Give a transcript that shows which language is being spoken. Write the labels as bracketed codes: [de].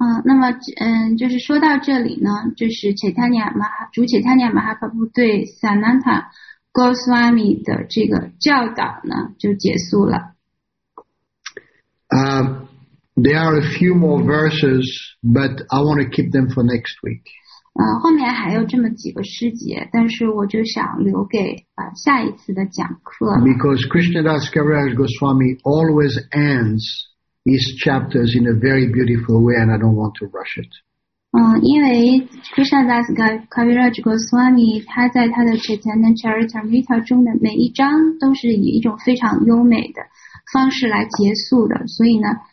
[zh] 那么就是说到这里呢，就是 Chaitanya Mahaprabhu 主 Chaitanya Mahaprabhu 对 Sanatan Goswami 的这个教导呢就结束了。 [en] There are a few more verses, but I want to keep them for next week. [zh] 后面还有这么几个诗节，但是我就想留给下一次的讲课。 [en] Because Krishnadas Kaviraj Goswami always ends his chapters in a very beautiful way, and I don't want to rush it. [zh] 因为 Krishnadas Kaviraj Goswami 他在他的 Chaitanya Charitamrita 中的每一章都是以一种非常优美的方式来结束的，所以呢。